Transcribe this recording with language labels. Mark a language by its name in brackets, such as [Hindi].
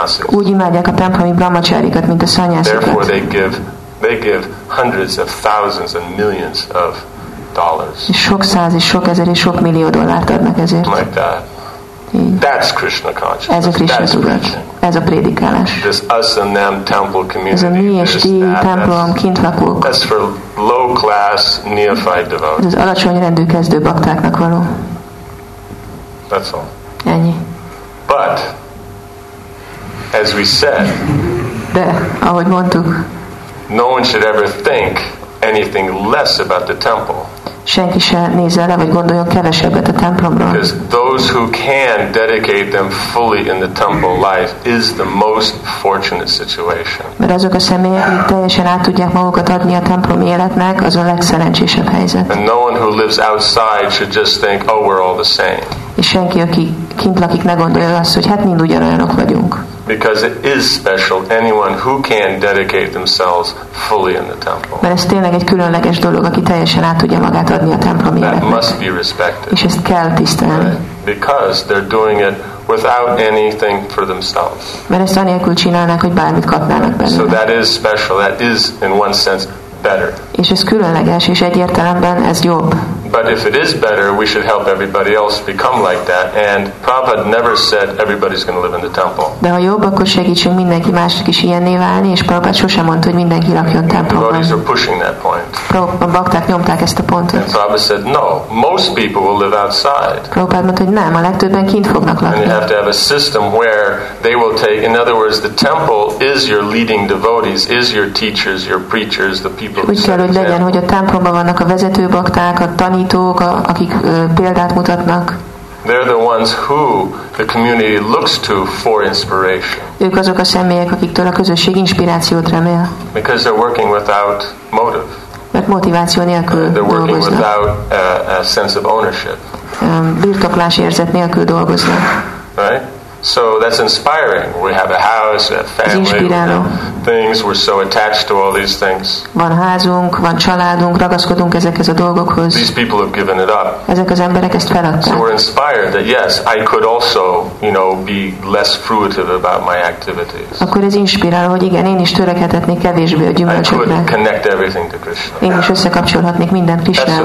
[Hungarian] Úgy imádják a templomi brahmacharikat, mint a szanyászikat. [English] They give hundreds of thousands and millions of dollars. [Hungarian] És sok száz és sok ezer és sok millió dollárt adnak ezért. [English] Like that. That's Krishna consciousness. [Hungarian] Ez a Krishna tudat. Ez a prédikálás. [English] This us and them temple community. [Hungarian] Ez a mi és ti templom, kint lakók. [English] That's for low class neophyte devotees. [Hungarian] Ez az alacsony rendű kezdő baktáknak való. [English] That's all. [Hungarian] Ennyi. [English] But as we said. [Hungarian] De ahogy mondtuk. [English] No one should ever think anything less about the temple. [Hungarian] Senki se nézze le, vagy gondoljon kevesebbet a templomról. [English] Because those who can dedicate them fully in the temple life is the most fortunate situation. [Hungarian] Mert azok a személyek, akik teljesen át tudják magukat adni a templomi életnek, az a legszerencsésebb helyzet. [English] And no one who lives outside should just think, oh, we're all the same. [Hungarian] És senki, aki kint lakik, ne gondolja azt, hogy hát mind ugyanolyanok vagyunk. [English] Because it is special, anyone who can dedicate themselves fully in the temple. [Hungarian] Mert ez tényleg egy különleges dolog, aki teljesen át tudja magát adni a templom életnek. [English] That must be respected. [Hungarian] És ezt kell tisztelni. [English] Because they're doing it without anything for themselves. [Hungarian] Mert ezt anélkül csinálnak, hogy bármit kapnának belőle. [English] So that is special, that is in one sense better. [Hungarian] És ez különleges, és egy értelemben ez jobb. [English] But if it is better, we should help everybody else become like that. And Prabhupada never said everybody's going to live in the temple. [Hungarian] De ha jobb, akkor segítsünk mindenki másnak is ilyenné válni, és Prabhupada sosem mondta, hogy mindenki lakjon templomban. [English] Devotees are pushing that point. [Hungarian] A bakták nyomták ezt a pontot. [English] And Prabhupada said, no, most people will live outside. [Hungarian] Prabhupada mondta, hogy nem, a legtöbben kint fognak lakni. [English] And you have to have a system where they will take, in other words, the temple is your leading devotees, is your teachers, your preachers, the people. [Hungarian] Úgy kell, hogy legyen, hogy a templomban vannak a vezető bakták, a tanítók, akik példát mutatnak. [English] They're the ones who the community looks to for inspiration. [Hungarian] Ők azok a személyek, akiktől a közösség inspirációt remél. [English] Because they're working without motive. [Hungarian] Mert motiváció nélkül dolgoznak. [English] They're working without a sense of ownership. [Hungarian] Birtoklás érzet nélkül dolgoznak. [English] Right? So that's inspiring. We have a house, we have family, we have things. We're so attached to all these things. [Hungarian] Van házunk, van családunk, ragaszkodunk ezekhez a dolgokhoz. [English] These people have given it up. [Hungarian] Ezek az emberek ezt feladták. [English] So we're inspired that yes, I could also, you know, be less fruitive about my activities. [Hungarian] Akkor ez inspiráló, hogy igen, én is törekedhetnék kevésbé a gyümölcsökre. [English] I could connect everything to Krishna. [Hungarian] Én is összekapcsolhatnék mindent Krishnával.